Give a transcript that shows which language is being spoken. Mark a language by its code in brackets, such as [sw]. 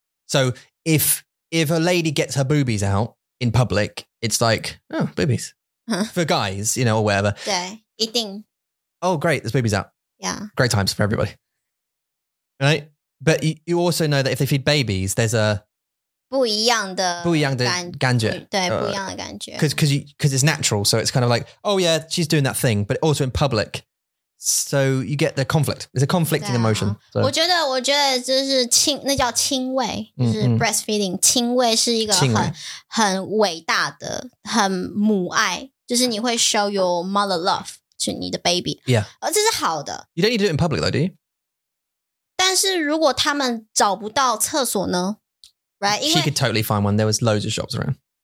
[en] So if a lady gets her boobies out in public, it's like, oh, boobies. Huh. For guys, you know, or whatever. [zh] 对,一定. [en] Oh, great, there's boobies out. Yeah. Great times for everybody. Right? But you also know that if they feed babies, there's a [zh] 不一样的感觉。对,不一样的感觉。 [en] Because it's natural, so it's kind of like, oh yeah, she's doing that thing, but also in public. So you get the conflict. It's a conflicting emotion. So. [zh] 我觉得就是那叫轻喂, 就是breastfeeding, 轻喂是一个很伟大的,很母爱, 就是你会 [en] show your mother love to [zh] 你的baby. [en] Yeah. [zh] 而这是好的。 [en] You don't need to do it in public though, do you? [zh] 但是如果他们找不到厕所呢? [en] Right? She could totally find one. There was loads of shops around.